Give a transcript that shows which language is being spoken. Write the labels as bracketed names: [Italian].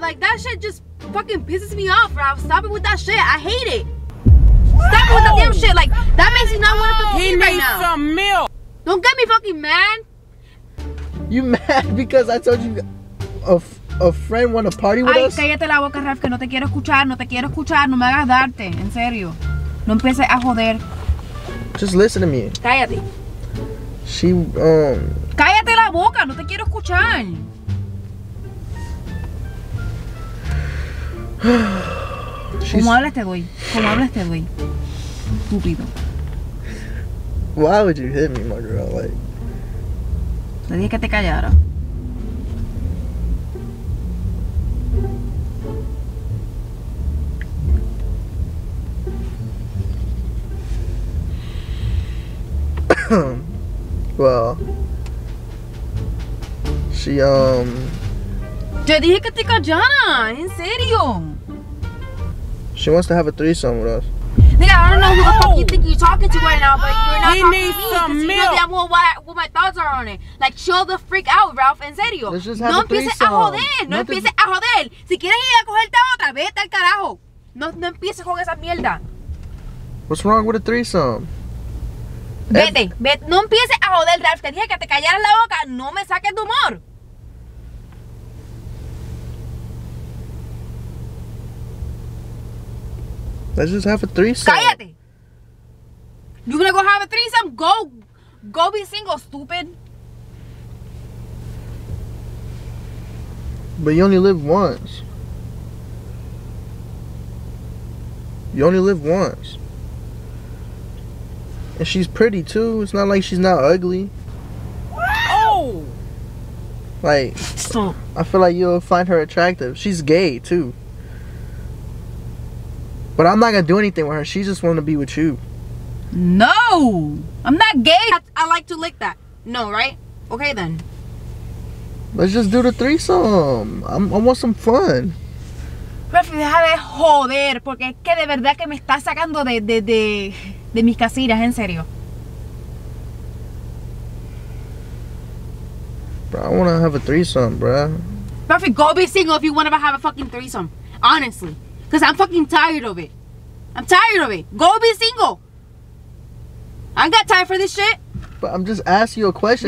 [English] Like, that shit just fucking pisses me off, Ralph. Stop it with that shit. I hate it. Stop it with that damn shit. Like, that makes you not want to fucking eat right now. He made some milk. Don't get me fucking mad. You mad because I told you a friend want to party with Ay, us? [Spanish] Ay, cállate la boca, Ralph, que no te quiero escuchar, no te quiero escuchar, no me hagas darte, en serio. No empieces a joder. [English] Just listen to me. [Spanish] Cállate. [English] She, [Spanish] Cállate la boca, no te quiero escuchar. ¿Cómo hablas te doy? ¿Cómo hablas te doy? Estúpido. [English] Why would you hit me, my girl? Like, [Spanish] le dije que te callara. [English] Well, she, [Spanish] Te dije que te callara, en serio. [English] She wants to have a threesome with us. Nigga, I don't know who the fuck you think you're talking to right now, but you're not talking to me. He needs some milk. Because you know damn well what my thoughts are on it. Like, chill the freak out, Ralph, [Spanish] en serio. [English] Let's just have a threesome. [Spanish] No empieces a joder, no empieces a joder. Si quieres ir a cogerte otra, vete al carajo. No, no empieces con esa mierda. [English] What's wrong with a threesome? [Spanish] Vete, no empieces a joder, Ralph. Te dije que te callaras la boca. No me saques de humor. [English] Let's just have a threesome. [Spanish] Cállate. [English] You gonna go have a threesome? Go be single, stupid. But you only live once. You only live once. And she's pretty too. It's not like she's not ugly. Oh! Like, I feel like you'll find her attractive. She's gay too. But I'm not gonna do anything with her. She just wanted to be with you. No! I'm not gay! I like to lick that. No, right? Okay then. Let's just do the threesome. I want some fun. [Spanish] Rafi, deja de joder, porque es que de verdad que me está sacando de mis casillas, en serio. [English] Bro, I want to have a threesome, bro. Rafi, go be single if you want to have a fucking threesome. Honestly. Because I'm fucking tired of it. I'm tired of it. Go be single. I ain't got time for this shit. But I'm just asking you a question.